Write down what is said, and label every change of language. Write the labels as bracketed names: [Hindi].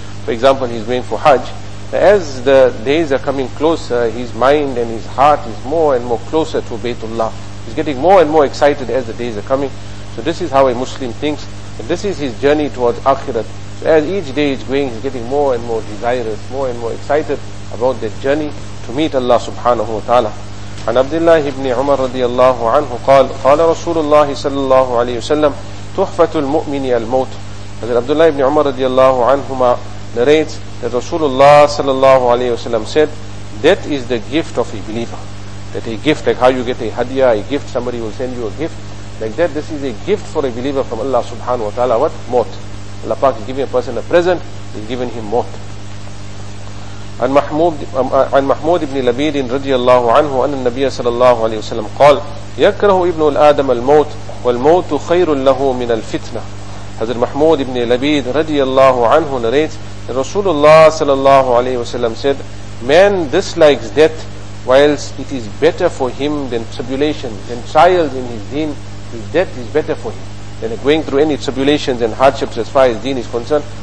[English] For example, he's going for Hajj. As the days are coming closer, his mind and his heart is more and more closer to Baytullah. He's getting more and more excited as the days are coming. So this is how a Muslim thinks. And this is his journey towards akhirat. So as each day is going, he's getting more and more desirous, more and more excited about that journey to meet Allah subhanahu wa ta'ala. [Arabic] عن عبد الله بن عمر رضي الله عنه قال قال رسول الله صلى الله عليه وسلم تحفة المؤمن الموت. عبد الله بن عمر رضي الله عنهما [English] narrates that Rasulullah [Arabic] صلى الله عليه وسلم [English] said, death is the gift of a believer. That a gift, like how you get a hadiah, a gift, somebody will send you a gift like that. This is a gift for a believer from Allah subhanahu wa ta'ala. What? Maut. Allah Pak is giving a person a present, he's giving him maut. [Arabic] عن محمود بن لبيد رضي الله عنه أن النبي صلى الله عليه وسلم قال يكره ابن الآدم الموت والموت خير له من الفتنة. حضرت محمود بن لبيد رضي الله عنه [English] narrates [Arabic] رسول الله صلى الله عليه وسلم [English] said, man dislikes death whilst it is better for him than tribulation, than trials in his deen. His death is better for him than going through any tribulations and hardships as far as deen is concerned.